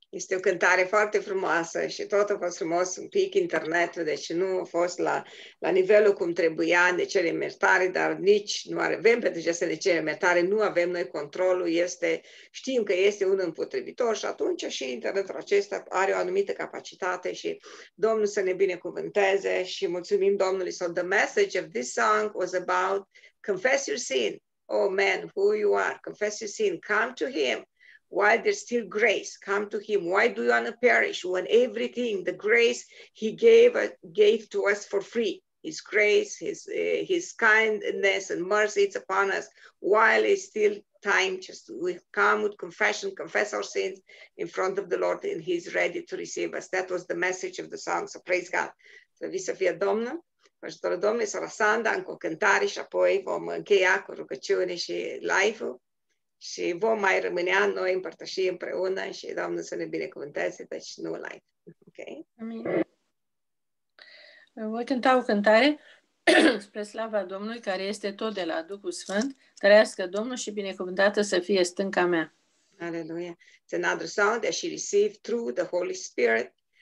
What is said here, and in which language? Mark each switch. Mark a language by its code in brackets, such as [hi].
[ro] Este o cântare foarte frumoasă și tot a fost frumos un pic internetul, deci nu a fost la nivelul cum trebuia, de cele mertare, dar nici nu avem, pentru că de cele mertare nu avem noi controlul, știm că este un împotrivitor și atunci și internetul acesta are o anumită capacitate și Domnul să ne binecuvânteze și mulțumim Domnului. [en] So the message of this song was about confess your sin, oh man, who you are, confess your sin, come to Him. while there's still grace, come to him. Why do you want to perish when everything, the grace he gave to us for free, his grace, his kindness and mercy, it's upon us. While it's still time, just we come with confession, confess our sins in front of the Lord, and he's ready to receive us. That was the message of the song, so praise God. [ro] Să fie Domnul, ajutorul Domnului, sora Sanda, încă o cântare și apoi vom încheia cu rugăciune și live-ul și vom mai rămâne noi împărtășim împreună și Domnul să ne binecuvânteze, deci nu live. Okay? Amin. Voi cânta o cântare spre slava Domnului, care este tot de la Duhul Sfânt. Trăiască Domnul și binecuvântată să fie stânca mea. Aleluia. [en] It's another song that she received through the Holy Spirit.